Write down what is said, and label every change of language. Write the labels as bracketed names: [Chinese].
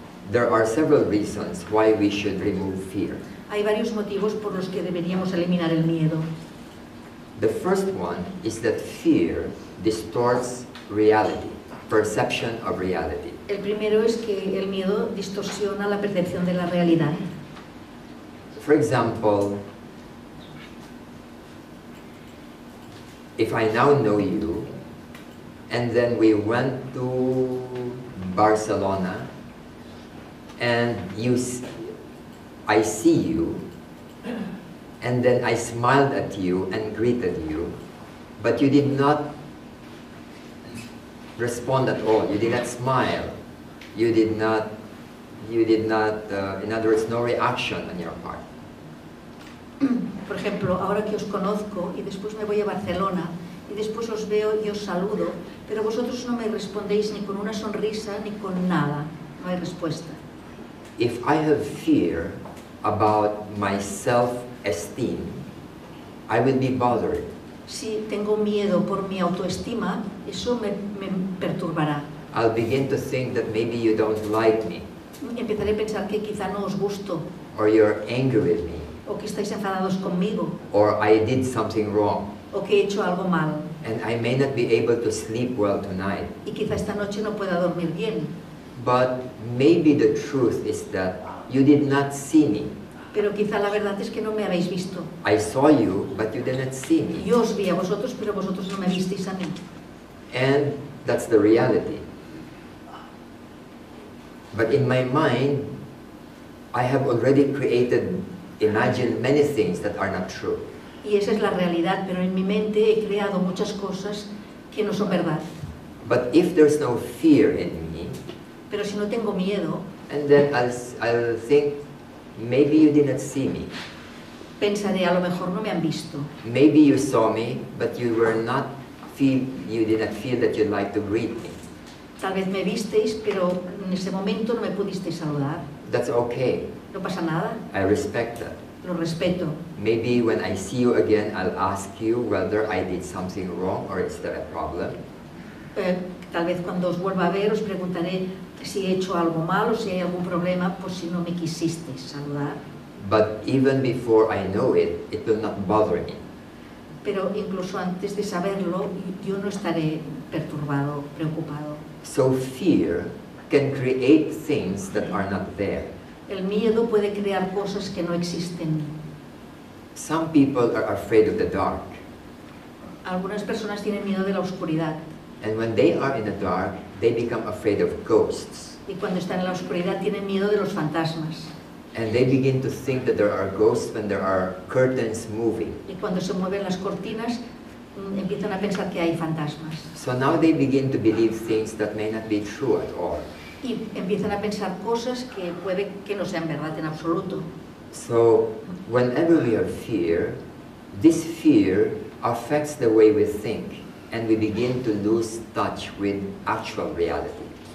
[English] There are several reasons why we should remove fear. [Spanish] Hay varios motivos por los que deberíamos eliminar el miedo. [English] The first one is that fear distorts reality, perception of reality. [Spanish] El primero es que el miedo distorsiona la percepción de la realidad. [English] For example, if I now know you, and then we went to Barcelona, and I see you, and then I smiled at you and greeted you, but you did not respond at all. You did not smile. In other words, no reaction on your part. [Spanish] Por ejemplo, ahora que os conozco y después me voy a Barcelona y después os veo y os saludo, pero vosotros no me respondéis ni con una sonrisa ni con nada. No hay respuesta. [English] If I have fear about my self-esteem, I would be bothered. [Spanish] Si tengo miedo por mi autoestima, eso me perturbará. [English] I'll begin to think that maybe you don't like me. [Spanish] Empezaré a pensar que quizá no os gusto. [English] Or you're angry with me. [Spanish] O que estáis enfadados conmigo. [English] Or I did something wrong. [Spanish] O que he hecho algo mal. [English] And I may not be able to sleep well tonight. [Spanish] Y quizá esta noche no pueda dormir bien. [English] But maybe the truth is that you did not see me. [Spanish] Pero quizá la verdad es que no me habéis visto. [English] I saw you, but you did not see me. [Spanish] Yo os vi a vosotros, pero vosotros no me visteis a mí. [English] And that's the reality. But in my mind, I have already created, imagined many things that are not true. [Spanish] Y esa es la realidad, pero en mi mente he creado muchas cosas que no son verdad. [English] But if there's no fear in me, [Spanish] pero si no tengo miedo, [English] and then I'll think, maybe you didn't see me. [Spanish] Pensaré, a lo mejor no me han visto. [English] Maybe you saw me, but you did not feel that you'd like to greet me. [Spanish] Tal vez me visteis, pero en ese momento no me pudisteis saludar. [English] That's okay. [Spanish] No pasa nada. [English] I respect that. [Spanish] Lo respeto. [English] Maybe when I see you again, I'll ask you whether I did something wrong or is there a problem. [Spanish] Tal vez cuando os vuelva a ver, os preguntaré si he hecho algo mal o si hay algún problema, por si no me quisisteis saludar. [English] But even before I know it, it will not bother me. [Spanish] Pero incluso antes de saberlo, yo no estaré perturbado, preocupado. [English] So fear can create things that are not there. [Spanish] El miedo puede crear cosas que no existen. [English] Some people are afraid of the dark. [Spanish] Algunas personas tienen miedo de la oscuridad. [English] And when they are in the dark, they become afraid of ghosts. [Spanish] Y cuando están en la oscuridad tienen miedo de los fantasmas. [English] And they begin to think that there are ghosts when there are curtains moving. [Spanish] Y cuando se mueven las cortinas, empiezan a pensar que hay fantasmas. [English] So now they begin to believe things that may not be true at all. [Spanish] Y empiezan a pensar cosas que puede que no sean verdad en absoluto. [English] So whenever we have fear, this fear affects the way we think, and we begin to lose touch with actual reality.